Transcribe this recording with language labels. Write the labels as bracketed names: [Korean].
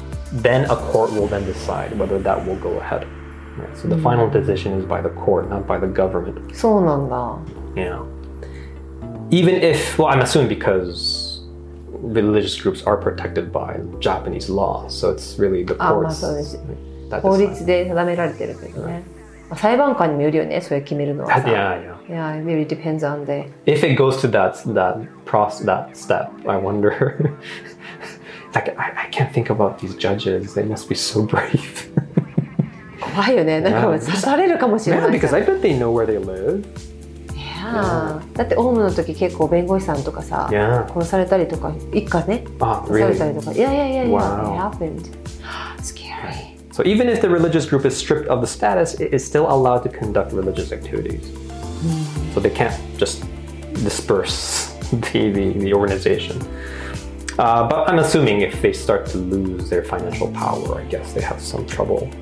[English] Then a court will then decide whether that will go ahead. Right, so the final decision is by the court, not by the government. [Japanese] そうなんだ. [English] Yeah. Even if, well, I'm assuming because religious groups are protected by Japanese law, so it's really the courts. [Japanese] Ah, まあそうです。 [English] that decide. [Japanese] 法律で定められてるけどね。裁判官にもよるよね、それ決めるのはさ。 [English] Yeah, yeah. Yeah, it really depends on the... If it goes to that step, I wonder... like, I can't think about these judges. They must be so brave. [Japanese] 怖いよね、なんか刺されるかもしれない。 [English] Yeah, because I bet they know where they live. Yeah. [Japanese] だってオウムの時結構弁護士さんとかさ、殺されたりとか、一家ね、刺されたりとか。 [English] Yeah, yeah, yeah, yeah. Wow. It happened. Scary. So even if the religious group is stripped of the status, it is still allowed to conduct religious activities. So they can't just disperse the organization. But I'm assuming if they start to lose their financial power, I guess they have some trouble.